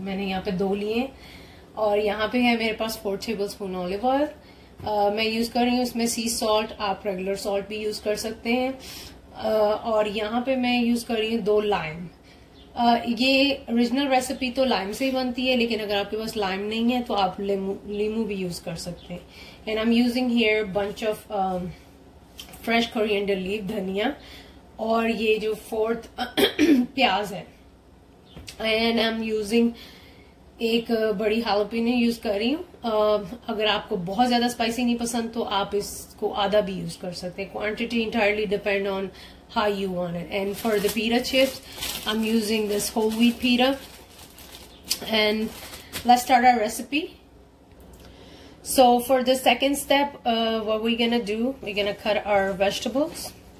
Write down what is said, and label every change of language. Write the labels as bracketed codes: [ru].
[hi] मैंने यहाँ पे 2 लिए और यहाँ पे है मेरे पास [en] 4 tablespoon olive oil. [hi] मैं use कर रही हूँ इसमें [en] sea salt. [hi] आप [en] regular salt [hi] भी use कर सकते हैं. और यहाँ पे मैं use कर रही हूँ 2 lime. ये [en] original recipe [hi] तो lime से ही बनती है, लेकिन अगर आपके पास lime नहीं है तो आप लीमू भी use कर सकते हैं. [en] And I'm using here bunch of fresh coriander leaf, [hi] धनिया और ये जो 4th प्याज है. [en] And I'm using [hi] एक बड़ी jalapeno use कर रही हूँ. अगर आपको बहुत ज़्यादा spicy नहीं पसंद तो आप इसको आधा भी use कर सकते हैं. [en] Quantity entirely depend on how you want it. And for the pita chips, I'm using this whole wheat pita. And let's start our recipe. So for the second step, what we're gonna do, we're gonna cut our vegetables.